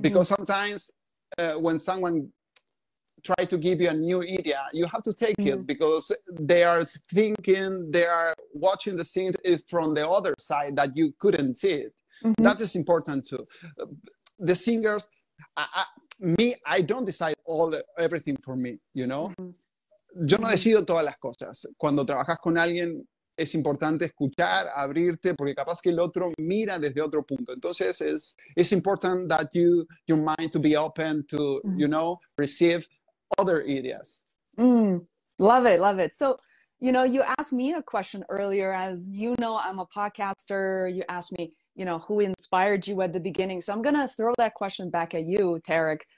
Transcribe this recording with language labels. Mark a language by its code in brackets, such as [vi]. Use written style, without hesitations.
[en] Because sometimes when someone try to give you a new idea, you have to take mm-hmm. it, because they are thinking, they are watching the scene is from the other side that you couldn't see it. Mm-hmm. That is important too. The singers, I don't decide everything for me, you know? [es] Mm-hmm. Yo no decido todas las cosas. Cuando trabajas con alguien, es importante escuchar, abrirte, porque capaz que el otro mira desde otro punto. Entonces, [en] it's important that you, your mind to be open to, mm-hmm. you know, receive other ideas. Mm, love it. So, you know, you asked me a question earlier, as you know, I'm a podcaster. You asked me, you know, who inspired you at the beginning. So I'm going to throw that question back at you, Tarek.